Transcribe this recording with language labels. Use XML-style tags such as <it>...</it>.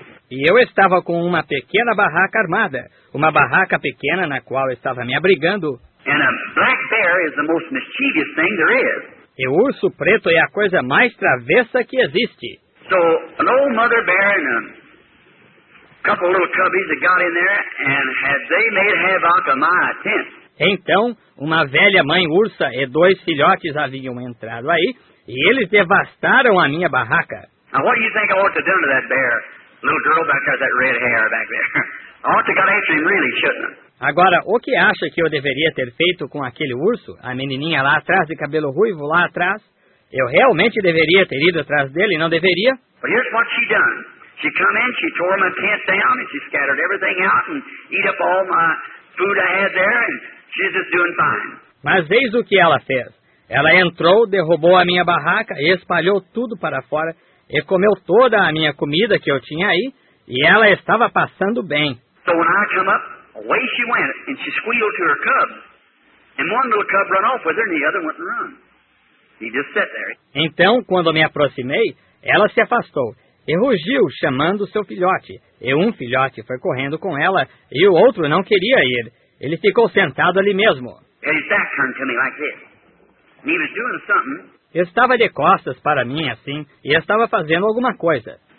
<pt>E eu estava com uma pequena barraca armada, uma barraca pequena na qual estava me abrigando. E um</pt> <en>black bear is the most mischievous thing there is.</en> <pt>E o urso preto é a coisa mais travessa que existe.</pt> <en>So, an old mother bear and a couple little cubbies that got in there and had they made havoc of my tent.</en> <pt>Então, uma velha mãe ursa e dois filhotes haviam entrado aí e eles devastaram a minha barraca.</pt> <en>Now, what do you think I ought to do to that bear? Little girl back there, that red hair back there. I ought to got after him really, shouldn't I?</en> <pt>Agora, o que acha que eu deveria ter feito com aquele urso, a menininha lá atrás de cabelo ruivo lá atrás? Eu realmente deveria ter ido atrás dele, não deveria?</pt> <en>But here's what she done. She come in, she tore my tent down, and she scattered everything out and eat up all my food I had there, and she's just doing fine.</en> <pt>Mas eis o que ela fez. Ela entrou, derrubou a minha barraca e espalhou tudo para fora e comeu toda a minha comida que eu tinha aí, e ela estava passando bem.</pt> <en>So when I come up, away she went, and she squealed to her cub. And one little cub run off with her, and the other went and run. He just sat there.</en> <pt>Então, quando me aproximei, ela se afastou e rugiu, chamando seu filhote. E um filhote foi correndo com ela e o outro não queria ir. Ele ficou sentado ali mesmo.</pt> <en>And his back turned to me like this. And he was doing something.</en> <pt>Estava de costas para mim, assim, e estava fazendo alguma coisa.</pt>